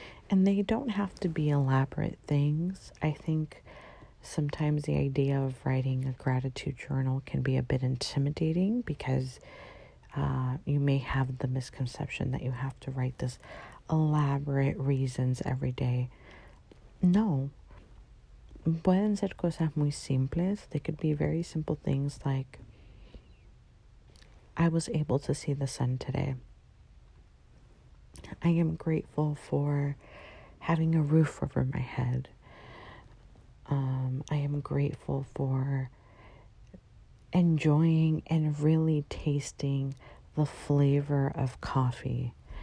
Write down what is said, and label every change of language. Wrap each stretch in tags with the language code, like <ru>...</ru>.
<en>And they don't have to be elaborate things. I think sometimes the idea of writing a gratitude journal can be a bit intimidating, because you may have the misconception that you have to write this elaborate reasons every day. No.</en> <es>Pueden ser cosas muy simples.</es> <en>They could be very simple things like, I was able to see the sun today. I am grateful for having a roof over my head. I am grateful for enjoying and really tasting the flavor of coffee.</en>